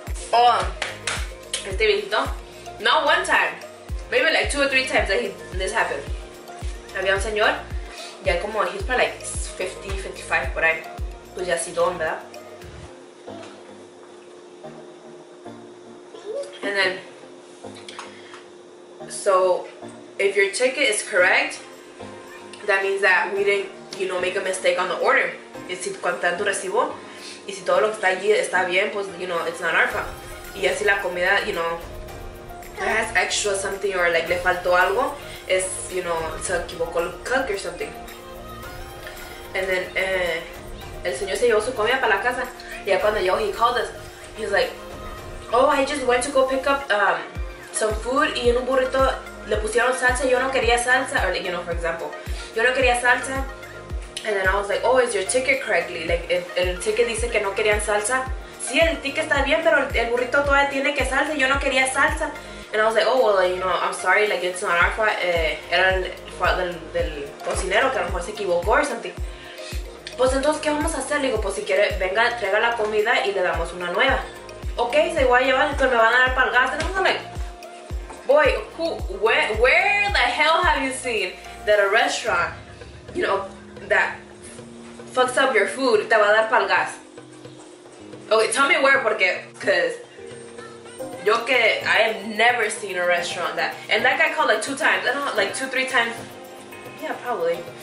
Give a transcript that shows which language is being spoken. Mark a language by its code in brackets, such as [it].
[es] Oh, este viejito, [en] not one time, maybe like two or three times that this happened. [es] Había un señor, ya como, [en] he's probably like 50, 55 [es] por ahí, pues ya así don, ¿verdad? [en] And then, so, if your ticket is correct, that means that we didn't, you know, make a mistake on the order. [es] Y si cuentan tu recibo, y si todo lo que está allí está bien, pues, [en] you know, it's not our fault. [es] Y así la comida, [en] you know, has extra something or like [es] le faltó algo, es, you know, se equivocó el cook [en] or something. And then, [es] el señor se llevó su comida para la casa. Y ya cuando llegó, [en] he called us. He's like, oh, I just went to go pick up some food. [es] Y en un burrito le pusieron salsa. Yo no quería salsa. [en] Or, you know, for example, [es] yo no quería salsa. [en] And then I was like, oh, is your ticket correctly? [es] Like, el ticket dice que no querían salsa. Sí, el ticket está bien, pero el burrito todavía tiene que salsa. Yo no quería salsa. [en] And I was like, oh, well, like, you know, I'm sorry. Like, it's not our fault. [es] Era el fault del cocinero, que a lo mejor se equivocó [en] or something. [es] Pues entonces, ¿qué vamos a hacer? Le digo, pues si quiere, venga, traiga la comida y le damos una nueva. Ok, se voy a llevar, pero me van a dar para el gas. [en] And I was like, boy, where the hell have you seen that a restaurant, you know, that fucks up your food, [es] te va a dar para el gas? [en] Ok, tell me where, porque, because yo que, I have never seen a restaurant that, and that guy called like two times, I don't know, like two, three times. Yeah, probably.